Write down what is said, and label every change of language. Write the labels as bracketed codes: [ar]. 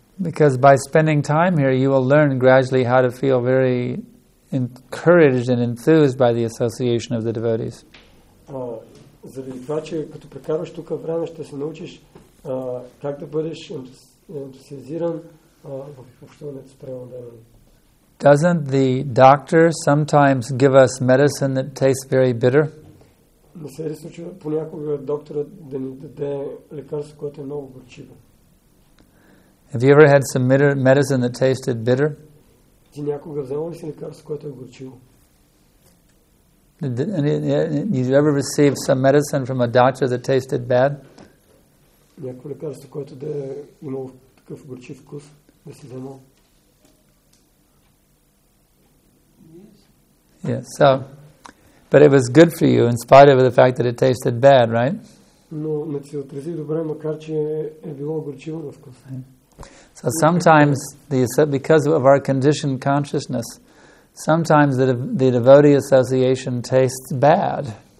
[en] Because by spending time here, you will learn gradually how to feel very encouraged and enthused by the association of the devotees. [bg] Заради това, че като прекарваш тука време, ще се научиш как да бъдеш ентусиазиран в общуването с трябва отдалените. [en] Doesn't the doctor sometimes give us medicine that tastes very bitter? [bg] Не се ли случва понякога докторът да ни даде лекарство, което е много горчиво? [en] Have you ever had some medicine that tasted bitter? [bg] Ти някога взел ли си лекарство, което е горчиво? [en] Did you ever receive some medicine from a doctor that tasted bad? [bg] Някое лекарство, което да е имало такъв горчив вкус, да си вземал? [en] Yeah, so, but it was good for you in spite of the fact that it tasted bad, right? [bg] Но не се отрази добре, макар че е било горчиво на вкуса. [en] So sometimes, because of our conditioned consciousness, sometimes the devotee association tastes bad.